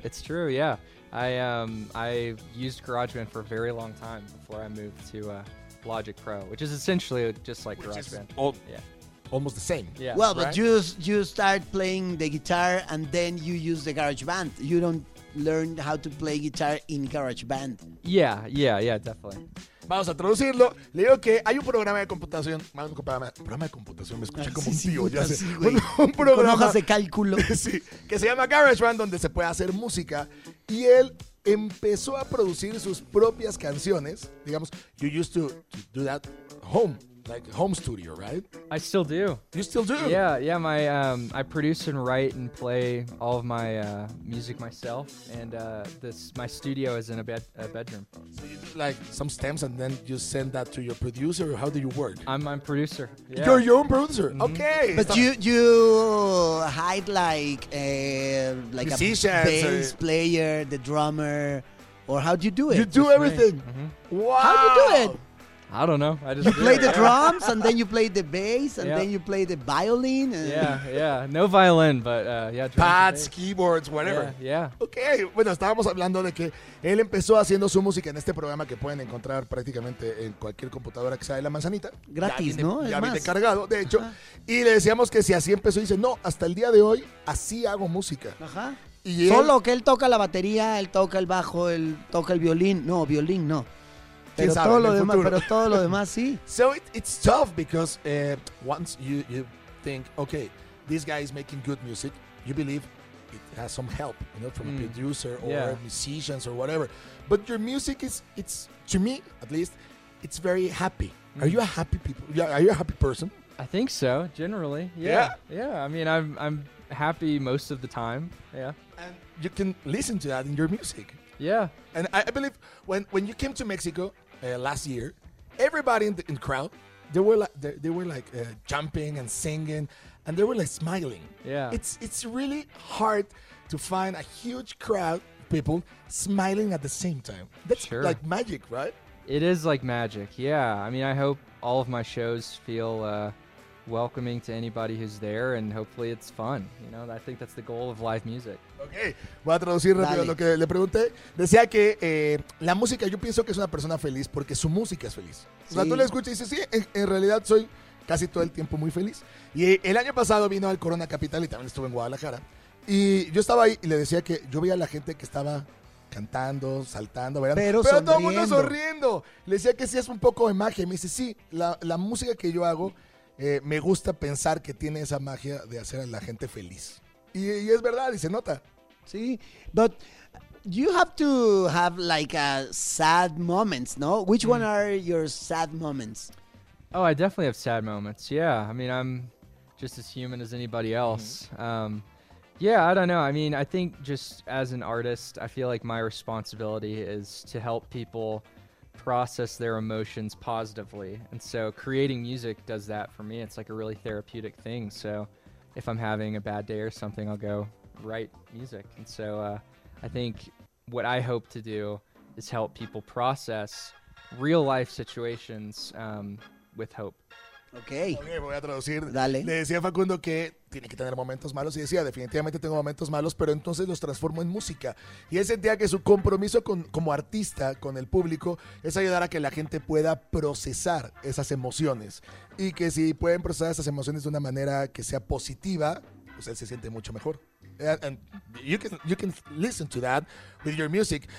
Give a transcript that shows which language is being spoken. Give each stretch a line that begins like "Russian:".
English: It's true. Yeah, I used GarageBand for a very long time before I moved to Logic Pro, which is essentially just like GarageBand. Almost the same. Yeah. Well, right? But you start playing the guitar and then you use the GarageBand. You don't learn how to play guitar in GarageBand. Yeah. Definitely.
Spanish: Vamos a traducirlo. Le digo que hay un programa de computación. Programa de computación, me escuché como un tío, ya sé. Un programa. Con hojas de cálculo. Sí, que se llama GarageBand, donde se puede hacer música. Y él empezó a producir sus propias canciones. Digamos,
English: you used to do that home, like home studio, right? I still do. You still do? Yeah. I produce and write and play all of my music myself, and my studio is in a bedroom. So you do like some stems, and then you send that to your producer. Or how do you work? I'm producer. Yeah. You're your own producer. Mm-hmm. Okay. But you hide like musicians, a bass player, the drummer, or how do you do it? You do just everything. Mm-hmm. Wow. How do you do it? I don't know. You play the drums, and then you play the bass, and then you play the violin. And yeah. No violin, but pads, keyboards, whatever. Yeah. Okay.
Spanish: Bueno, estábamos hablando de que él empezó haciendo su música en este programa que pueden encontrar prácticamente en cualquier computadora que sea de la manzanita. Gratis, ¿no? Ya viene cargado, de hecho. Ajá. Y le decíamos que si así empezó, dice, no, hasta el día de hoy, así hago música. Ajá. Solo que él toca la batería, él toca el bajo, él toca el violín. No, violín, no. Pero todo lo demás, sí.
English: So it's tough because once you think, okay, this guy is making good music, you believe it has some help, you know, from a producer or musicians or whatever. But your music is to me at least, it's very happy. Mm. Are you a happy people? Yeah, are you a happy person? I think so, generally. Yeah. I mean, I'm happy most of the time. Yeah. And you can listen to that in your music. Yeah. And I believe when you came to Mexico last year, everybody in the crowd, they were jumping and singing, and they were like smiling. Yeah. It's really hard to find a huge crowd people smiling at the same time. That's like magic, right? It is like magic. Yeah. I mean, I hope all of my shows feel welcoming to anybody who's there, and hopefully it's fun. You know, I think that's the goal of live music.
Spanish: Okay, voy a traducir rápido lo que le pregunté. Decía que la música, yo pienso que es una persona feliz porque su música es feliz. Sí. O sea, tú la escuchas y dices, sí, en realidad soy casi todo el tiempo muy feliz. Y el año pasado vino al Corona Capital y también estuve en Guadalajara. Y yo estaba ahí y le decía que yo veía a la gente que estaba cantando, saltando, ¿verdad? Pero todo el mundo sonriendo. Le decía que sí, es un poco de magia. Me dice, sí, la música que yo hago, me gusta pensar que tiene esa magia de hacer a la gente feliz. Y es verdad, y se nota.
English: Sí, but you have to have like a sad moments, no? Which one are your sad moments? Oh, I definitely have sad moments, yeah. I mean, I'm just as human as anybody else. Mm-hmm. Yeah, I don't know. I mean, I think just as an artist, I feel like my responsibility is to help people process their emotions positively. And so creating music does that for me. It's like a really therapeutic thing. So if I'm having a bad day or something, I'll go write music. And so I think what I hope to do is help people process real life situations with hope. Okay.
Spanish: Okay, voy a traducir. Dale. Le decía a Facundo que tiene que tener momentos malos y decía, definitivamente tengo momentos malos, pero entonces los transformo en música. Y él sentía que su compromiso con, como artista con el público es ayudar a que la gente pueda procesar esas emociones y que si pueden procesar esas emociones de una manera que sea positiva, pues él se siente mucho mejor.
English: And you can listen to that with your music.